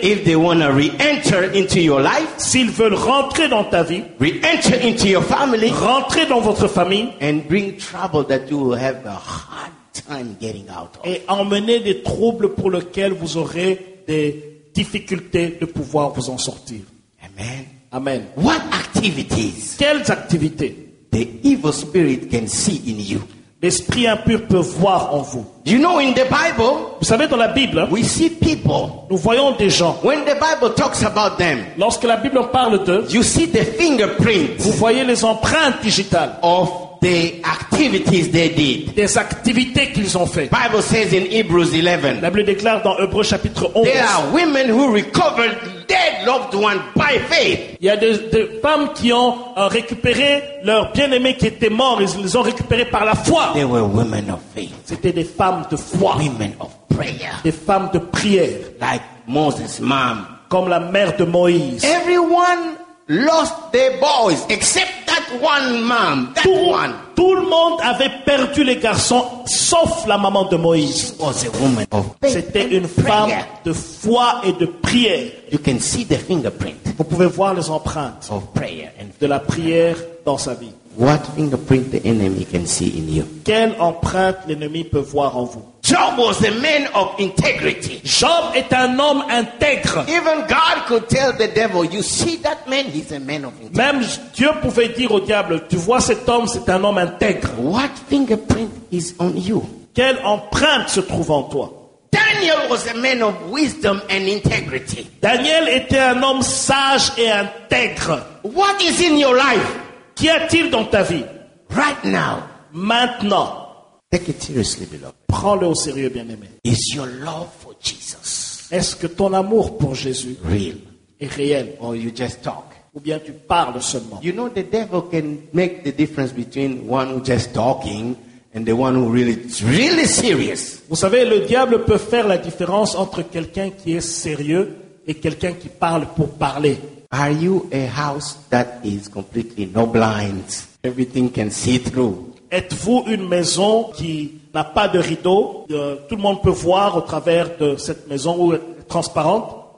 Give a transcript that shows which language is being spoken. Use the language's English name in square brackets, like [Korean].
[English] if they want to re-enter into your life, [French] s'ils veulent rentrer dans ta vie, [English] re-enter into your family, [French] rentrer dans votre famille, [English] and bring trouble that you will have a hard time getting out of, [French] et emmener des troubles pour lesquels vous aurez des difficultés de pouvoir vous en sortir. [English] Amen. [French] Amen. [English] What activities? [French] Quelles activités? [English] The evil spirit can see in you. [French] L'esprit impur peut voir en vous. [English] You know, in the Bible, [French] vous savez, dans la Bible, [English] we see people, [French] nous voyons des gens. [English] When the Bible talks about them, [French] lorsque la Bible parle d'eux, [English] you see the fingerprints, [French] vous voyez les empreintes digitales [English] of the activities they did. [French] Des activités qu'ils ont faites. [English] Bible says in Hebrews 11, [French] la Bible déclare dans Hébreux chapitre 11, [English] there are women who recovered dead loved ones by faith. [French] Il y a des femmes qui ont récupéré leur bien-aimé qui était mort, ils les ont récupérés par la foi. [English] They were women of faith. [French] C'était des femmes de foi. [English] Women of prayer. [French] Des femmes de prière. [English] Like Moses' mom. [French] Comme la mère de Moïse. [English] Everyone lost their boys except that one mom. That [French] tout, [English] one. [French] Tout le monde avait perdu les garçons sauf la maman de Moïse. [English] She was a woman of faith. [French] C'était une femme [English] prayer. [French] De foi et de prière. [English] You can see the fingerprint. [French] Vous pouvez voir les empreintes [English] of prayer and [French] de la prière dans sa vie. [English] What fingerprint the enemy can see in you? [French] Quelle empreinte l'ennemi peut voir en vous? [English] Job was a man of integrity. [French] Job est un homme intègre. [English] Even God could tell the devil, you see that man, he's a man of integrity. [French] Même Dieu pouvait dire au diable, tu vois cet homme, c'est un homme intègre. [English] What fingerprint is on you? [French] Quelle empreinte se trouve en toi? [English] Daniel was a man of wisdom and integrity. [French] Daniel était un homme sage et intègre. [English] What is in your life? [French] Qu'y a-t-il dans ta vie? [English] Right now. [French] Maintenant. [English] Take it seriously, beloved. [French] Prends-le au sérieux, bien-aimé. [English] Is your love for Jesus? [French] Est-ce que ton amour pour Jésus [English] real? [French] Est réel? [English] Or you just talk? [French] Ou bien tu parles seulement? [English] You know the devil can make the difference between one who just talking and the one who really really serious. [French] Vous savez, le diable peut faire la différence entre quelqu'un qui est sérieux et quelqu'un qui parle pour parler. [English] Are you a house that is completely no blinds? Everything can see through. [French] Êtes-vous une maison qui n'a pas de rideaux? Tout le monde peut voir au travers de cette maison ou est transparente?